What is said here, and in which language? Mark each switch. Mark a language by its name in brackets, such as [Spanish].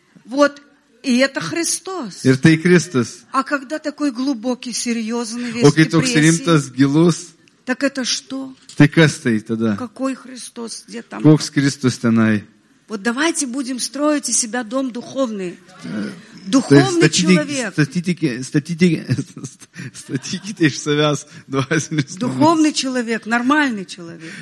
[Russian] Вот, и это Христос. [Lithuanian] Ir tai Kristus. [Russian] А когда такой глубокий, серьезный, весь депрессий? [Lithuanian] O kai toks rimtas, gilus. [Russian] Так это что? [Lithuanian] Tai kas tai tada? [Russian] Какой Христос? Где там? [Lithuanian] Koks Kristus tenai? [Russian] Вот давайте будем строить из себя дом духовный. Духовный человек. [Lithuanian] Statykite iš savęs dvasinius žmogus. [Russian] Духовный человек, нормальный человек.